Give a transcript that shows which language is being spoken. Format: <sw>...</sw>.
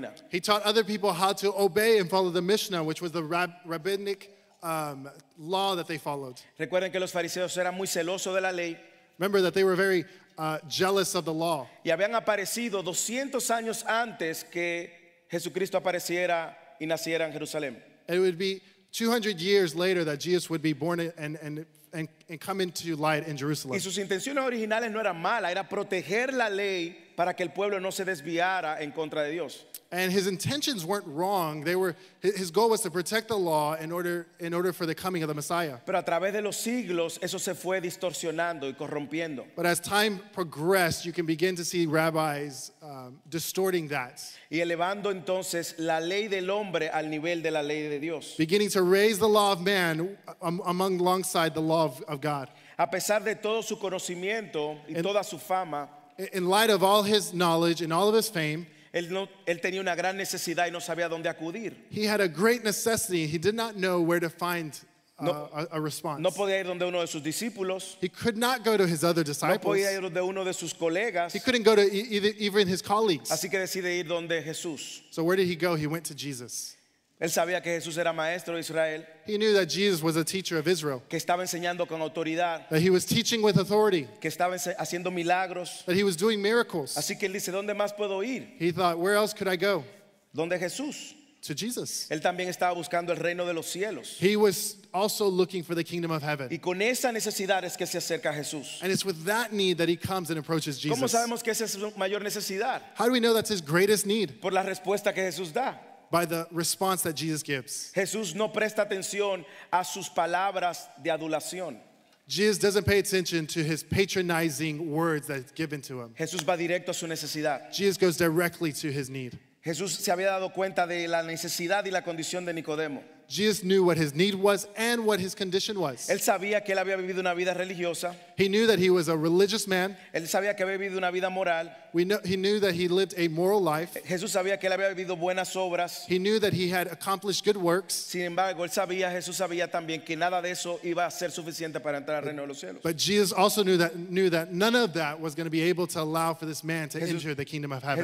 <en>He taught other people how to obey and follow the Mishnah, which was the rabbinic law that they followed.</en> <es>Recuerden que los fariseos eran muy celosos de la ley.</es> <en>Remember that they were very jealous of the law.</en> <es>Y habían aparecido 200 años antes que Jesucristo apareciera y naciera en Jerusalén.</es> <en>It would be 200 years later that Jesus would be born and come into light in Jerusalem.</en> <es>Y sus intenciones originales no eran malas, era proteger la ley para que el pueblo no se desviara en contra de Dios.</es> <en>And his intentions weren't wrong. They were his goal was to protect the law in order for the coming of the Messiah.</en> <es>Pero a través de los siglos eso se fue distorsionando y corrompiendo.</es> <en>But as time progressed, you can begin to see rabbis distorting that.</en> <es>Y elevando entonces la ley del hombre al nivel de la ley de Dios.</es> <en>Beginning to raise the law of man alongside the law of God.</en> <es>A pesar de todo su conocimiento y toda su fama,</es> <en>in light of all his knowledge and all of his fame,</en> <es>él tenía una gran necesidad y no sabía dónde acudir.</es> <en>He had a great necessity. He did not know where to find a response.</en> <es>No podía ir donde uno de sus discípulos.</es> <en>He could not go to his other disciples.</en> <es>No podía ir donde uno de sus colegas.</es> <en>He couldn't go to even his colleagues.</en> <es>Así que decide ir donde Jesús.</es> <en>So where did he go? He went to Jesus.</en> <es>Él sabía que Jesús era maestro de Israel.</es> <en>He knew that Jesus was a teacher of Israel.</en> <es>Que estaba enseñando con autoridad.</es> <en>That he was teaching with authority.</en> <es>Que estaba haciendo milagros.</es> <en>That he was doing miracles.</en> <es>Así que él dice, ¿dónde más puedo ir?</es> <en>He thought, where else could I go?</en> <es>¿Dónde Jesús?</es> <en>To Jesus.</en> <es>Él también estaba buscando el reino de los cielos.</es> <en>He was also looking for the kingdom of heaven.</en> <es>Y con esa necesidad es que se acerca a Jesús.</es> <en>And it's with that need that he comes and approaches Jesus.</en> <es>¿Cómo sabemos que esa es su mayor necesidad?</es> <en>How do we know that's his greatest need?</en> <es>Por la respuesta que Jesús da.</es> <en>By the response that Jesus gives.</en> <es>Jesús no presta atención a sus palabras de adulación.</es> <en>Jesus doesn't pay attention to his patronizing words that's given to him.</en> <es>Jesús va directo a su necesidad.</es> <en>Jesus goes directly to his need.</en> <es>Jesús se había dado cuenta de la necesidad y la condición de Nicodemo.</es> <en>Jesus knew what his need was and what his condition was.</en> <es>Él sabía que él había vivido una vida religiosa.</es> <en>He knew that he was a religious man.</en> <es>Él sabía que había vivido una vida moral.</es> <en>He knew that he lived a moral life.</en> <es>Jesús sabía que él había vivido buenas obras.</es> <en>He knew that he had accomplished good works.</en> <es>Sin embargo, él sabía, Jesús sabía también que nada de eso iba a ser suficiente para entrar al reino de los cielos.</es> <en>But Jesus also knew that none of that was going to be able to allow for this man to enter the kingdom of heaven.</en>